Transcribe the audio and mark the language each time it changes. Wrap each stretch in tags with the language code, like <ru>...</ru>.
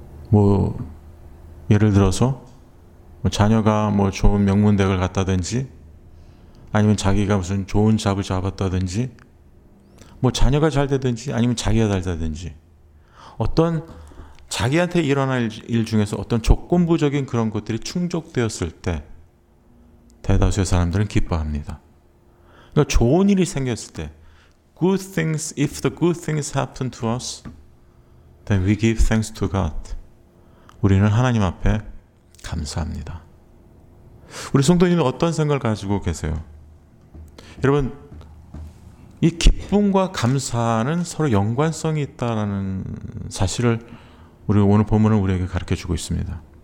<ko>뭐 예를 들어서 뭐 자녀가 뭐 좋은 명문대학을 갔다든지, 아니면 자기가 무슨 좋은 잡을 잡았다든지, 뭐 자녀가 잘 되든지 아니면 자기가 잘 되든지, 어떤 자기한테 일어날 일 중에서 어떤 조건부적인 그런 것들이 충족되었을 때 대다수의 사람들은 기뻐합니다. 그러니까 좋은 일이 생겼을 때,</ko> <en>good things, if the good things happen to us, then we give thanks to God.</en> <ko>우리는 하나님 앞에 감사합니다. 우리 성도님은 어떤 생각을 가지고 계세요? 여러분, 이 기쁨과 감사는 서로 연관성이 있다라는 사실을 우리 오늘 본문은 우리에게 가르쳐 주고 있습니다.</ko>